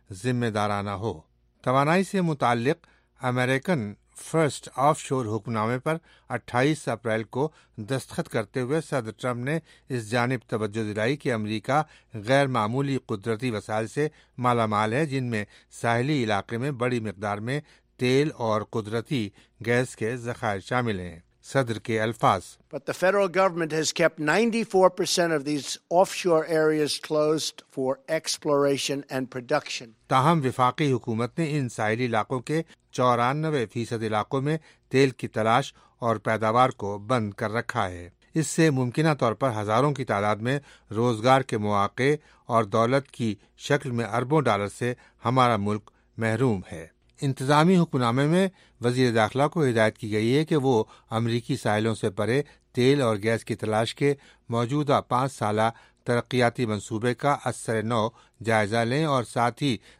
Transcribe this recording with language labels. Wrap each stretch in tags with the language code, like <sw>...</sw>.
<ur>ذمہ دارانہ ہو۔ توانائی سے متعلق امریکن فرسٹ آف شور حکم نامے پر 28 اپریل کو دستخط کرتے ہوئے صدر ٹرمپ نے اس جانب توجہ دلائی کہ امریکہ غیر معمولی قدرتی وسائل سے مالا مال ہے، جن میں ساحلی علاقے میں بڑی مقدار میں تیل اور قدرتی گیس کے ذخائر شامل ہیں۔ صدر کے الفاظ،</ur> <en>But the federal government has kept 94% of these offshore areas closed for exploration and production.</en> <ur>تاہم وفاقی حکومت نے ان ساحلی علاقوں کے 94% علاقوں میں تیل کی تلاش اور پیداوار کو بند کر رکھا ہے۔ اس سے ممکنہ طور پر ہزاروں کی تعداد میں روزگار کے مواقع اور دولت کی شکل میں اربوں ڈالر سے ہمارا ملک محروم ہے۔ انتظامی حکم نامے میں وزیر داخلہ کو ہدایت کی گئی ہے کہ وہ امریکی ساحلوں سے پرے تیل اور گیس کی تلاش کے موجودہ 5 سالہ ترقیاتی منصوبے کا 10/9 جائزہ لیں، اور ساتھ ہی</ur>